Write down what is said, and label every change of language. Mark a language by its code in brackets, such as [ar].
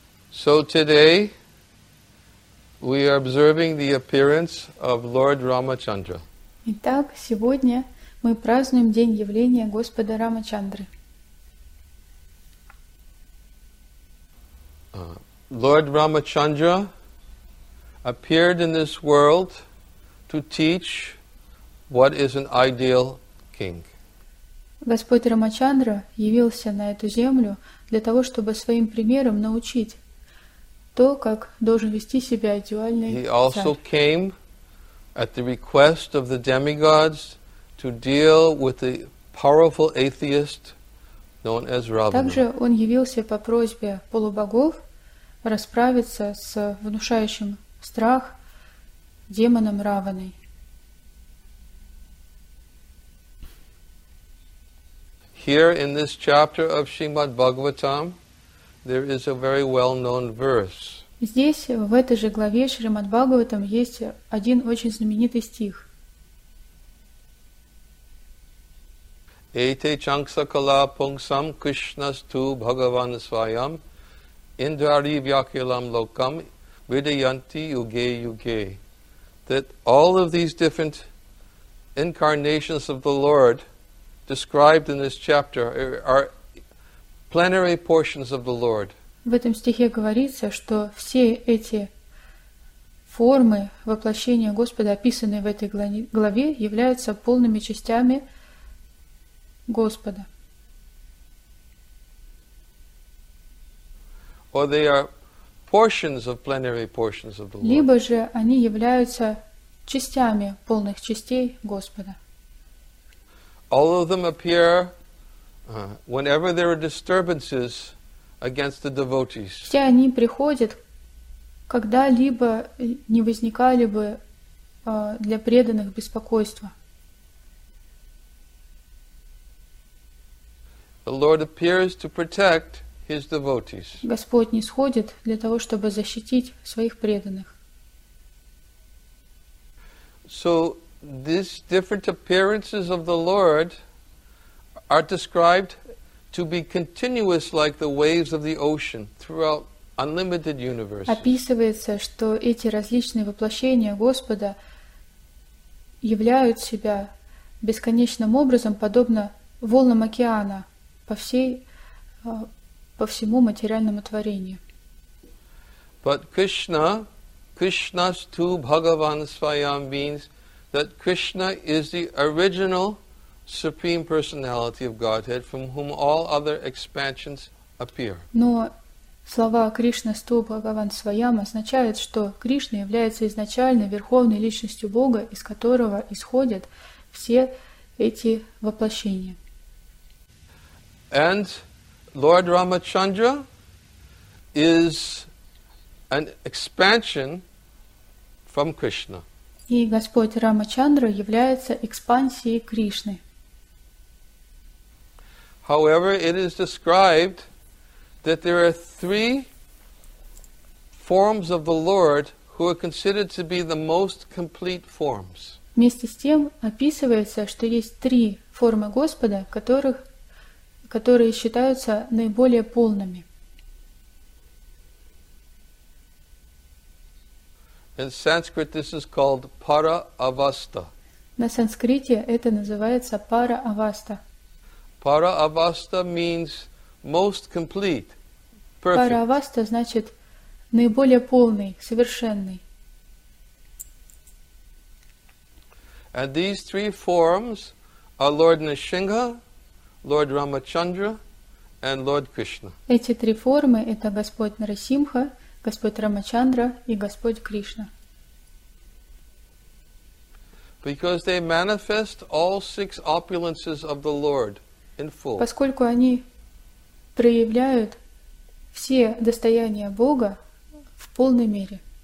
[en] So today, we are observing the appearance of Lord Ramachandra. [ru] Итак, сегодня мы празднуем день явления Господа Рамачандры. [en] Lord Ramachandra appeared in this world to teach what is an ideal king. [ru] Господь Рамачандра явился на эту землю для того, чтобы своим примером научить то, как должен вести себя идеальный царь. [en] He also came at the request of the demigods to deal with the powerful atheist known as Ravana. [ru] Также он явился по просьбе полубогов расправиться с внушающим страх демоном Раваной. [en] Here in this chapter of Srimad Bhagavatam, there is a very well-known verse. [ru] Здесь в этой же главе Шримад Бхагаватам есть один очень знаменитый стих. [sa] Эйте чанксакала пунгсам кришнасту бхагаван свайам индрари вьякилам локам видаянти юге юге. [en] That all of these different incarnations of the Lord described in this chapter are plenary portions of the Lord. [ru] В этом стихе говорится, что все эти формы воплощения Господа, описанные в этой главе, являются полными частями Господа. [en] Or they are portions of plenary portions of the Lord. [ru] Либо же они являются частями полных частей Господа. [en] All of them appear whenever there are disturbances against the devotees. [ru] Все они приходят, когда-либо не возникали бы для преданных беспокойства. [en] The Lord appears to protect his devotees. [ru] Господь нисходит для того, чтобы защитить своих преданных. [en] So these different appearances of the Lord are described to be continuous like the waves of the ocean throughout unlimited universes. [ru] Описывается, что эти различные воплощения Господа являют себя бесконечным образом, подобно волнам океана по всему материальному творению. [en] But Krishna, [sa] Krishnastu Bhagavan Svayam [en] means that Krishna is the original Supreme Personality of Godhead, from whom all other expansions appear. [ru] Но слова [sa] Кришна Сту Бхагаван Свайам [ru] означают, что Кришна является изначальной верховной личностью Бога, из которого исходят все эти воплощения. [en] And Lord Ramachandra is an expansion from Krishna. [ru] И Господь Рамачандра является экспансией Кришны. [en] However, it is described that there are three forms of the Lord who are considered to be the most complete forms. [ru] Вместе с тем описывается, что есть три формы Господа, которые считаются наиболее полными. [en] In Sanskrit, this is called para-avasta. [ru] На санскрите это называется para-avasta. [en] Para-avasta means most complete, perfect. [ru] Para-avasta значит наиболее полный, совершенный. [en] And these three forms are Lord Nrisimha, Lord Ramachandra, and Lord Krishna. [ru] Эти три формы – это Господь Нарасимха, Господь Рамачандра и Господь Кришна. [en] Because they manifest all six opulences of the Lord. [ru] Поскольку они проявляют все достояния Бога в полной мере.